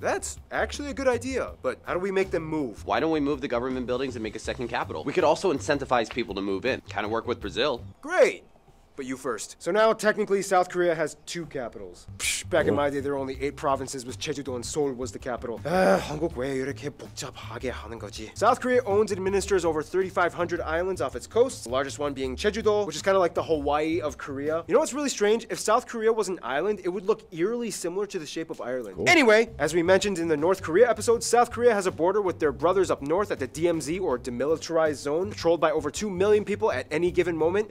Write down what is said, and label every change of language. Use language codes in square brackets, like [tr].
[en] That's actually a good idea, but how do we make them move? Why don't we move the government buildings and make a second capital? We could also incentivize people to move in. Kind of work with Brazil. Great. but you first. So now, technically, South Korea has two capitals. Back in my day, there were only 8 provinces, with Jeju-do and Seoul was the capital. [ko] 한국 왜 이렇게 복잡하게 하는 거지? [en] South Korea owns and administers over 3,500 islands off its coast, the largest one being Jeju-do, which is kind of like the Hawaii of Korea. You know what's really strange? If South Korea was an island, it would look eerily similar to the shape of Ireland. Cool. Anyway, as we mentioned in the North Korea episode, South Korea has a border with their brothers up north at the DMZ, or Demilitarized Zone, patrolled by over 2 million people at any given moment.